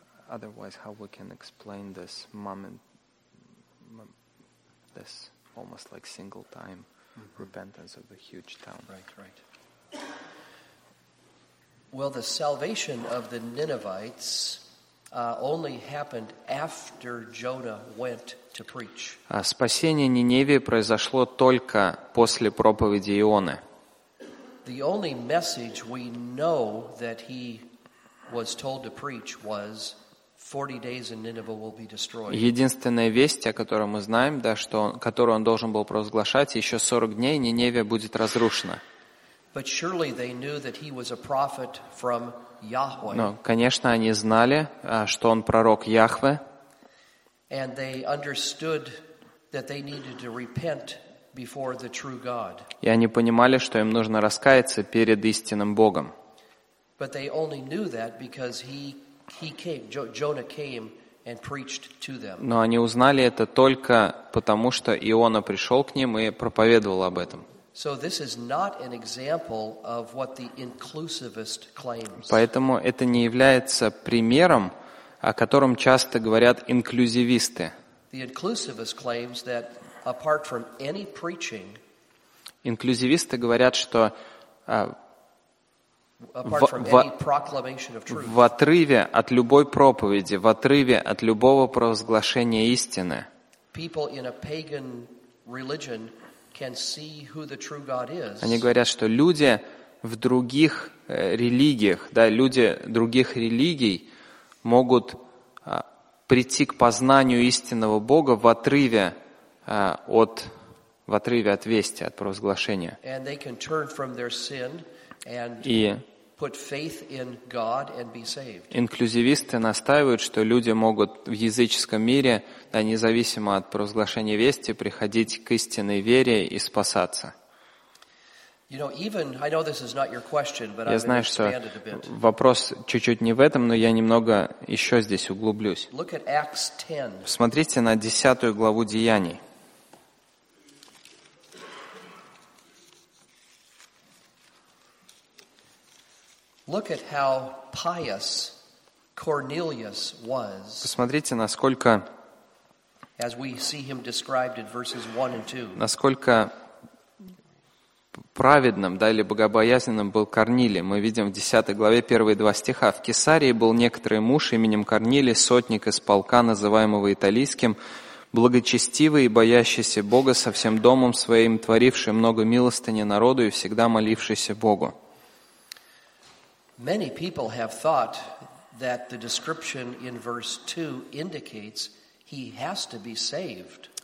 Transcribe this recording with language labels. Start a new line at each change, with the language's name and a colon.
English: Otherwise, how we can explain this moment, this almost like single time repentance of the huge town? Right, right. Well, the salvation of the Ninevites only happened after Jonah went to preach.
Russian: Спасение Ниневии произошло только после проповеди Ионы.
English: The only message we know that he was told to preach was 40 days and Nineveh will be destroyed.
Russian: Единственная весть, о которой мы знаем, да, что он, которую он должен был провозглашать, еще 40 дней Ниневия будет разрушена.
English: But surely they knew that he was a prophet from Yahweh.
Russian: Но, конечно, они знали, что он пророк Яхве.
English: And they understood that they needed to repent before the true God.
Russian: И они понимали, что им нужно раскаяться перед истинным Богом.
English: But they only knew that because he came, Jonah came and preached to them.
Russian: Но они узнали это только потому, что Иона пришел к ним и проповедовал об этом.
English: So this is not an example of what the inclusivist claims.
Russian: Поэтому это не является примером, о котором часто говорят инклюзивисты.
English: The inclusivist claims that apart from any preaching,
Russian: инклюзивисты говорят, что в отрыве от любой проповеди, в отрыве от любого провозглашения истины,
English: people in a pagan religion can see who the true God is.
Russian: Они говорят, что люди в других религиях, да, люди других религий могут прийти к познанию истинного Бога в отрыве от вести, от провозглашения.
English: And they can turn from their sin and put faith in God and be saved.
Russian: Инклюзивисты настаивают, что люди могут в языческом мире, да, независимо от провозглашения вести, приходить к истинной вере и спасаться.
English: You know, even I know this is not your question, but
Russian: я знаю, что вопрос чуть-чуть не в этом, но я немного еще здесь углублюсь.
English: Look at Acts 10.
Russian: Посмотрите на 10 главу Деяний.
English: Look at how pious Cornelius was.
Russian: Посмотрите, насколько,
English: as we see him described in verses 1 and 2.
Russian: Насколько праведным, да, или богобоязненным был Корнилий. Мы видим в 10 главе первые два стиха. В Кесарии был некоторый муж именем Корнилий, сотник из полка, называемого Италийским, благочестивый и боящийся Бога со всем домом своим, творивший много милостыни народу и всегда молившийся Богу.
English: Many people have thought that the description in verse 2 indicates he has to be saved.